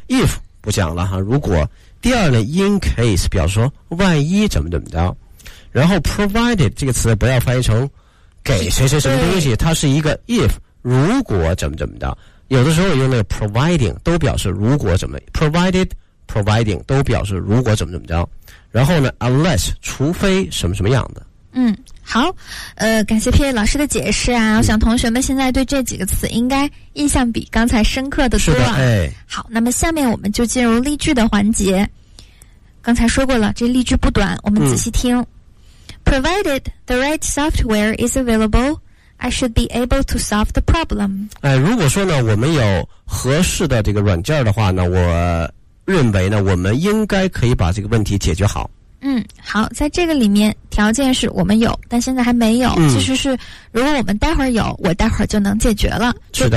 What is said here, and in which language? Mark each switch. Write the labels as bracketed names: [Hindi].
[Chinese] if不讲了哈，如果第二呢 in case 表示说万一怎么怎么着，然后 provided 这个词不要翻译成给谁谁什么东西，它是一个 if 如果怎么怎么着，有的时候用那个 providing 都表示如果怎么 provided providing 都表示如果怎么怎么着，然后呢 unless 除非什么什么样的。嗯，好，感谢 PA 老师的解释啊，我想同学们现在对这几个词应该印象比刚才深刻的多了。是的，哎。好，那么下面我们就进入例句的环节。刚才说过了，这例句不短，我们仔细听。嗯。 [English] Provided the right software is available, I should be able to solve the problem. [Chinese] 哎，如果说呢，我们有合适的这个软件的话呢，我认为呢，我们应该可以把这个问题解决好。嗯，好，在这个里面条件是我们有但现在还没有、嗯、其实是如果我们待会儿有我待会儿就能解决了，是